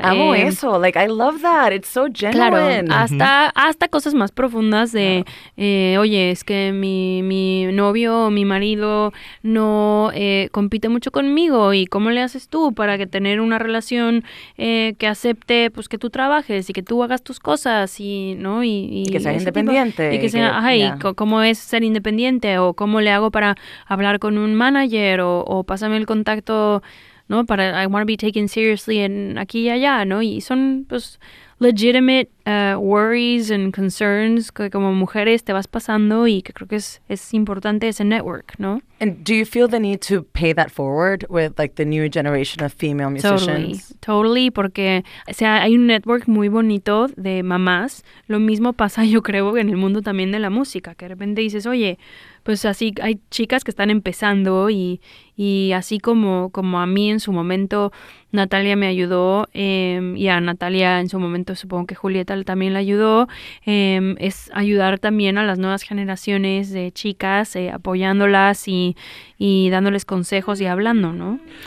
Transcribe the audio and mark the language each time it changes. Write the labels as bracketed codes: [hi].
[es] amo eso, [en] like, I love that, it's so genuine. [es] Claro, hasta cosas más profundas de, oye, es que mi novio, mi marido no compite mucho conmigo, ¿y cómo le haces tú para que tener una relación que acepte, pues, que tú trabajes y que tú hagas tus cosas, y, ¿no? Y que sea independiente. Tipo. Y que sea, ¿cómo es ser independiente? ¿O cómo le hago para hablar con un manager o pásame el contacto, ¿no? [en] Para I want to be taken seriously [es] en aquí y allá, [en] ¿no? [es] Y son pues [en] legitimate worries and concerns [es] que como mujeres te vas pasando y que creo que es importante ese network, ¿no? [en] And do you feel the need to pay that forward with like the new generation of female musicians? Totally, totally, [es] porque o sea, hay un network muy bonito de mamás. Lo mismo pasa, yo creo, en el mundo también de la música, que de repente dices, oye, pues así hay chicas que están empezando y así como a mí en su momento Natalia me ayudó y a Natalia en su momento supongo que Julieta también la ayudó, es ayudar también a las nuevas generaciones de chicas, apoyándolas y dándoles consejos y hablando, ¿no?